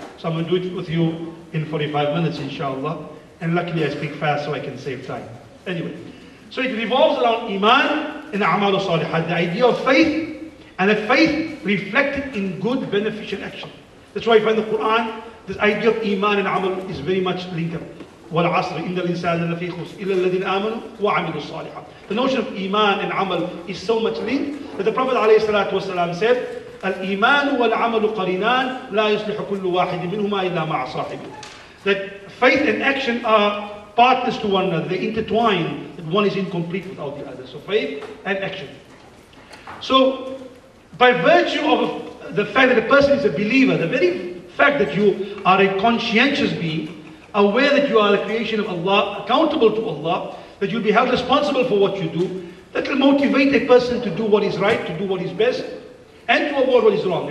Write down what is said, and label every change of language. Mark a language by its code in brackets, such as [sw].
[en] So I'm going to do it with you in 45 minutes, inshallah. And luckily I speak fast so I can save time. Anyway, so it revolves around Iman and Amal al-Salihah, the idea of faith, and that faith reflected in good, beneficial action. That's why you find the Quran, this idea of Iman and Amal is very much linked up. [ar] وَالْعَصْرِ إِنَّ الْإِنسَانَ لَفِي خُسْرٍ إِلَّا الَّذِينَ آمَنُوا وَعَمِلُوا الصَّالِحَاتِ. [en] The notion of Iman and Amal is so much linked that the Prophet [ar] عليه الصلاة والسلام said, الْإِيمَانُ وَالْعَمَلُ قَرِنَانِ لَا يُصْلِحُ كُلُّ وَاحِدٍ مِنْهُمَا إِلَّا مَعَ صَاحِبِهِ. [en] That faith and action are partners to one another, they intertwine, that one is incomplete without the other. So faith and action. So by virtue of the fact that a person is a believer, the very fact that you are a conscientious being, aware that you are the creation of Allah, accountable to Allah, that you'll be held responsible for what you do, that will motivate a person to do what is right, to do what is best, and to avoid what is wrong.